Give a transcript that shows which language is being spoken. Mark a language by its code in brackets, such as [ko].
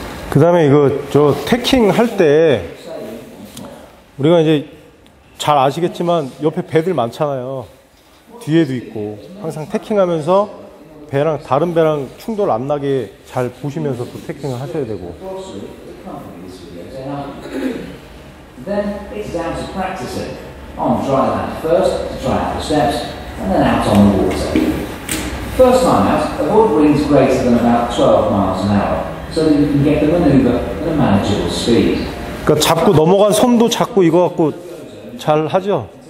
[ko] 그 다음에 이거 저 태킹 할 때 우리가 이제 잘 아시겠지만 옆에 배들 많잖아요. 뒤에도 있고 항상 태킹하면서 배랑 다른 배랑 충돌 안 나게 잘 보시면서 또 태킹을 하셔야 되고. [en] Then it's down to practicing on dry land first to try out the steps and then out on the water. First time out, avoid winds greater than about 12 miles an hour so that you can get the maneuver at a manageable speed. [ko] 그러니까 잡고 넘어간 손도 잡고 이거 갖고 잘 하죠.